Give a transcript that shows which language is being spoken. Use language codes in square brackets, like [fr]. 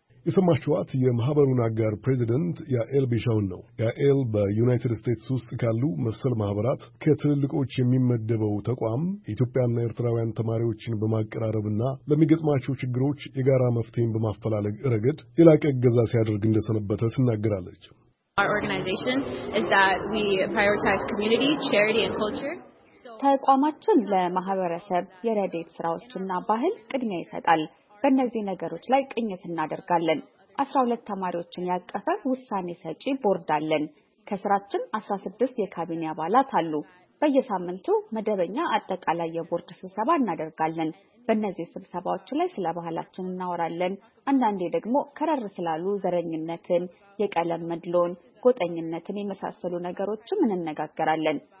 [am] የሰማችኋት የማህበሩን አጋር ፕሬዚደንት ያኤል ቢሻውን ነው። ያኤል በዩናይትድ ስቴትስ ውስጥ ካሉ መሰል ማህበራት ከትልልቆች የሚመደበው ተቋም ኢትዮጵያና ኤርትራውያን ተማሪዎችን በማቀራረብና ለሚገጥማቸው ችግሮች የጋራ መፍትሄን በማፈላለግ ረገድ የላቀ እገዛ ሲያደርግ እንደሰነበተ ትናገራለች። [en] Our organization is that we prioritize community, charity and culture. [am] ተቋማችን ለማህበረሰብ የረዴት ስራዎችና ባህል ቅድሚያ ይሰጣል። በእነዚህ ነገሮች ላይ ቅኝት እናደርጋለን። 12 ተማሪዎችን ያቀፈ ውሳኔ ሰጪ ቦርድ አለን። ከስራችን 16 የካቢኔ አባላት አሉ። በየሳምንቱ መደበኛ አጠቃላይ የቦርድ ስብሰባ እናደርጋለን። በእነዚህ ስብሰባዎች ላይ ስለ ባህላችን እናወራለን። አንዳንዴ ደግሞ ከረር ስላሉ ዘረኝነትን፣ የቀለም መድሎን፣ ጎጠኝነትን የመሳሰሉ ነገሮችን እንነጋገራለን።